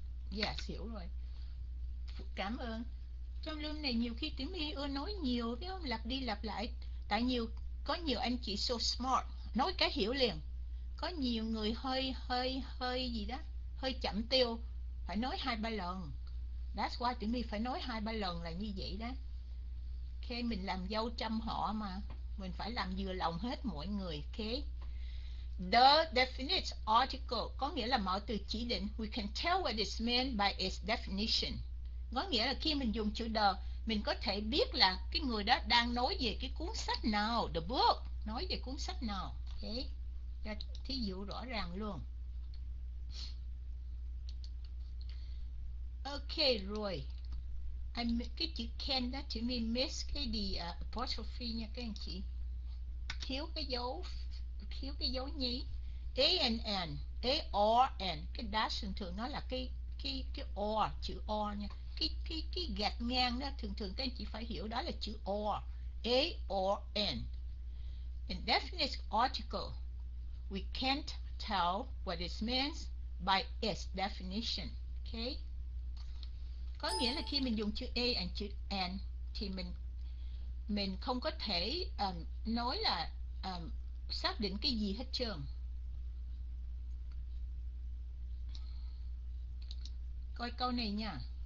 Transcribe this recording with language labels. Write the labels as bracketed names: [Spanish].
[Vietnamese] Dạ hiểu rồi, cảm ơn. Trong lúc này nhiều khi tiếng Mỹ ưa nói nhiều phải không, lặp đi lặp lại, tại nhiều có nhiều anh chị [English] so smart [Vietnamese] nói cái hiểu liền, có nhiều người hơi hơi hơi gì đó hơi chậm tiêu, phải nói hai ba lần. [English] That's why [Vietnamese] tiếng Mỹ phải nói hai ba lần là như vậy đó. Khi mình làm dâu trăm họ mà mình phải làm vừa lòng hết mọi người. Khi [English] the definite article [Vietnamese] có nghĩa là mẫu từ chỉ định. [English] We can tell what is meant by its definition. [Vietnamese] Có nghĩa là khi mình dùng chữ the, mình có thể biết là cái người đó đang nói về cái cuốn sách nào, [English] the book, [Vietnamese] nói về cuốn sách nào. Thế, okay. Thí dụ rõ ràng luôn. Ok, rồi. Cái chữ can đó thì mình miss cái gì apostrophe nha các anh chị. Thiếu cái dấu nhí. A and N, A or N, cái dash thường nó là cái or, chữ or nha. Cái gạch ngang đó thường thường các anh chị phải hiểu đó là chữ or, A or N. [English] Indefinite article. We can't tell what it means by its definition. Okay? [Vietnamese] Có nghĩa là khi mình dùng chữ A and chữ N thì mình không có thể nói là xác định cái gì hết trơn. Coi câu này nha.